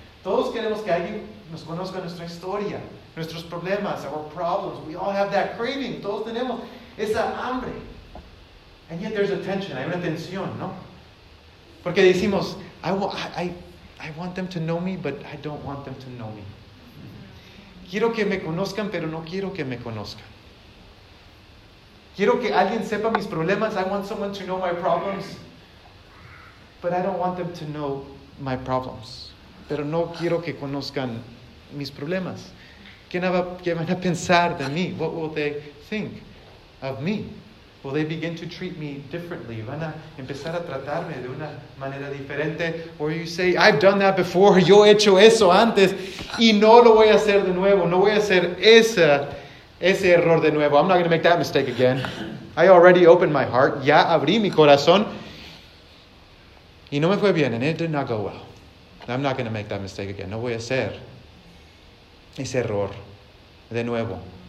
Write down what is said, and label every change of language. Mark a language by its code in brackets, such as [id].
[es] Todos queremos que alguien nos conozca nuestra historia, nuestros problemas, [en] our problems. We all have that craving. [es] Todos tenemos esa hambre. [en] And yet there's a tension. [es] Hay una tensión, ¿no? Porque decimos, [en] I want them to know me, but I don't want them to know me. [es] Quiero que me conozcan, pero no quiero que me conozcan. Quiero que alguien sepa mis problemas. [en] I want someone to know my problems. But I don't want them to know my problems. [es] Pero no quiero que conozcan mis problemas. ¿Qué van a pensar de mí? [en] What will they think of me? Will they begin to treat me differently? [es] ¿Van a empezar a tratarme de una manera diferente? [en] Or you say, I've done that before. [es] Yo he hecho eso antes. Y no lo voy a hacer de nuevo. No voy a hacer ese error de nuevo. [en] I'm not going to make that mistake again. I already opened my heart. [es] Ya abrí mi corazón. Y no me fue bien. [en] And it did not go well. I'm not going to make that mistake again. [es] No voy a hacer ese error de nuevo.